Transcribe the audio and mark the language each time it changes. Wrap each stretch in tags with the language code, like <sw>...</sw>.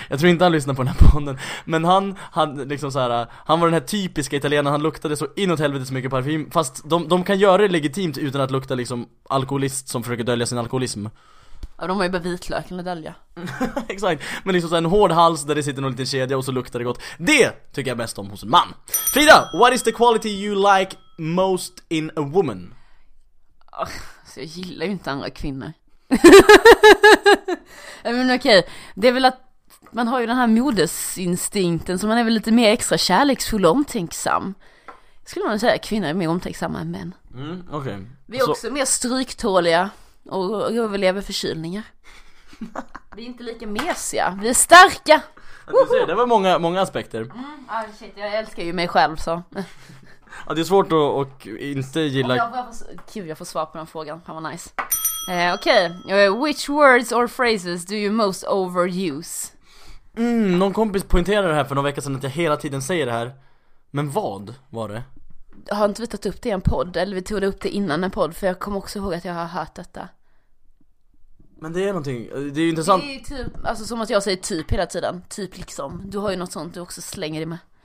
<sv>Jag tror inte han lyssnar på den här podden, men han hade liksom så här, han var den här typiska italienaren, han luktade så inåt helvete så mycket parfym, fast de kan göra det legitimt utan att lukta liksom alkoholist som försöker dölja sin alkoholism. Ja, de har ju bara vitlöken att dölja. Exakt, men liksom så en hård hals där det sitter någon liten kedja och så luktar det gott. Det tycker jag bäst om hos en man.</sv> <en>Frida, what is the quality you like most in a woman?</en> <sv>Så jag gillar ju inte andra kvinnor. Men okej, det är väl att man har ju den här modersinstinkten, så man är väl lite mer extra kärleksfull och omtänksam. Skulle man säga, kvinnor är mer omtänksamma än män. Mm, okej. Vi är också mer stryktåliga och överlever förkylningar. Vi är inte lika mesiga, vi är starka. Ser, det var många, många aspekter. Mm. Ah, shit, jag älskar ju mig själv så. Ja, det är svårt att och inte gilla. Kul, jag får svar på den frågan. Det var nice. Okej, okay.</sv> <en>Which words or phrases do you most overuse?</en> <sv>Mm, någon kompis poängterade det här för några veckor sedan att jag hela tiden säger det här. Men vad var det? Jag har inte vi tagit upp det i en podd? Eller vi tog det upp det innan en podd? För jag kommer också ihåg att jag har hört detta. Men det är någonting, det är ju intressant. Det är typ, alltså som att jag säger typ hela tiden. Typ liksom, du har ju något sånt du också slänger dig med.</sv>